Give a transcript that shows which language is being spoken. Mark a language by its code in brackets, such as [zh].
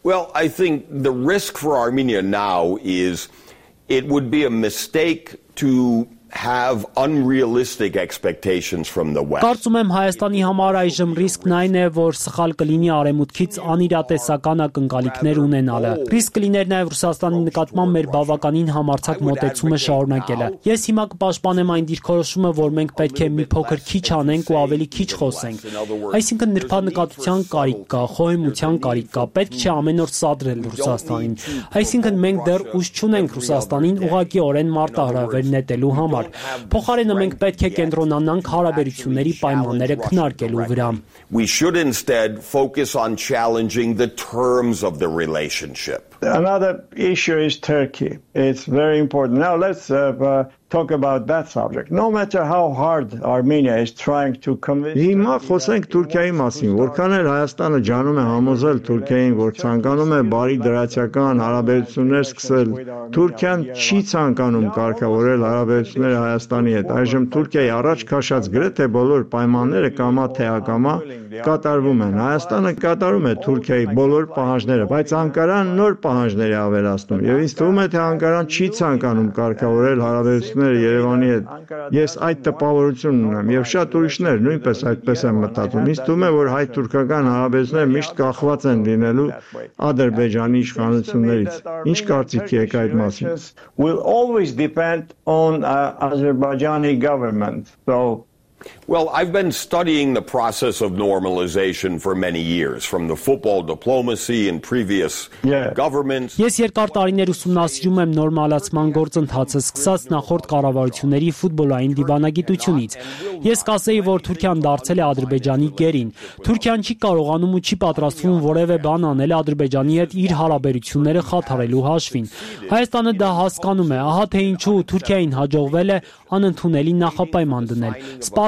[en] Well, I think the risk for Armenia now is it would be a mistake to have unrealistic expectations from the West. [hy] Կարծում եմ, Հայաստանի համար այժմ ռիսկն այն է, որ սխալ կլինի Արևմուտքից անիրատեսական ակնկալիքներ ունենալը։ Ռիսկ կլիներ նաև Ռուսաստանի նկատմամբ մեր բավականին համարձակ մոտեցումը շարունակելը։ Ես հիմա կպաշտպանեմ այն դիրքորոշումը, որ մենք պետք է մի փոքր քիչ անենք ու ավելի քիչ խոսենք։ Այսինքն նրբանկատության կարիք կա, խոհեմության կարիք կա, պետք չէ ամեն օր սադրել Ռուսաստանին։ Այսինքն մենք դեռ ուժ չունենք Ռուսաստանին ուղղակիորեն մարտահրավեր նետելու համար։ Փոխարենը մենք պետք է կենտրոնանանք հարաբերությունների պայմանները քննարկելու վրա։ [en] We should instead focus on challenging the terms of the relationship. Another issue is Turkey. It's very important. Now let's talk about that subject. No matter how hard Armenia is trying to convince [hy] Հիմա խոսենք Թուրքիայի մասին, որքան էլ Հայաստանը ջանում է համոզել Թուրքիային, որ ցանկանում է բարի դրացական հարաբերություններ սկսել, Թուրքիան չի ցանկանում կարգավորել հարաբերությունները Հայաստանի հետ։ Այժմ Թուրքիայի առաջ քաշած գրեթե բոլոր պայմանները կամա թե ակամա կատարվում են։ Հայաստանը կատարում է Թուրքիայի բոլոր պահանջները, բայց Անկարան նոր պահանջներ է ավելացնում, եւ ինձ թվում է, թե Անկարան չի ցանկանում կարգավորել հարաբերությունները Երևանի հետ։ Ես այդ տպավորությունն ունեմ, եւ շատ ուրիշներ նույնպես այդպես են մտածում։ Ինձ թվում է, որ հայ-թուրքական հարաբերությունները միշտ կախված են լինելու Ադրբեջանի իշխանություններից։ Ինչ կարծիք եք այդ մասին? [en] Will always depend on Azerbaijani government. So Well, I've been studying the process of normalization for many years, from the football diplomacy and previous governments. [hy] Ես երկար տարիներ ուսումնասիրում եմ նորմալացման գործընթացը, սկսած նախորդ կառավարությունների ֆուտբոլային դիվանագիտությունից։ Ես կասեի, որ Թուրքիան դարձել է Ադրբեջանի գերին։ Թուրքիան չի կարողանում ու չի պատրաստվում որևէ բան անել Ադրբեջանի հետ իր հարաբերությունները խաթարելու հաշվին։ Հայաստանը դա հասկանում է, ահա թե ինչու Թուրքիային հաջողվել է անընդունելի նախապայման դնել։